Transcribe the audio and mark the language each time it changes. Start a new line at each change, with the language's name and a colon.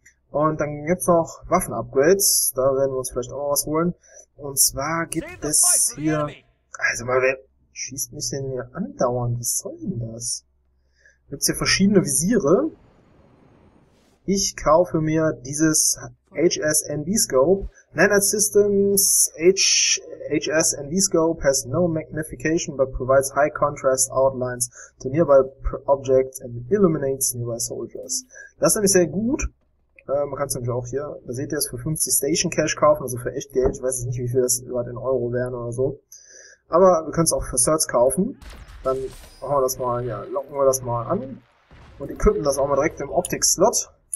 German: Und dann gibt's noch Waffen-Upgrades, da werden wir uns vielleicht auch was holen. Und zwar gibt es hier. Also mal, wer schießt mich denn hier andauernd? Was soll denn das? Gibt's hier verschiedene Visiere. Ich kaufe mir dieses HSNB Scope.
English: Nanite Systems HS NVScope has no magnification but provides high contrast outlines to nearby objects and illuminates nearby soldiers.
German: Das ist nämlich sehr gut. Man kann es nämlich auch hier, da seht ihr es, für 50 Station Cash kaufen, also für echt Geld. Ich weiß jetzt nicht, wie viel das gerade in Euro wären oder so. Aber wir können es auch für Certs kaufen. Dann machen wir das mal, ja, locken wir das mal an. Und equippen das auch mal direkt im Optik-Slot.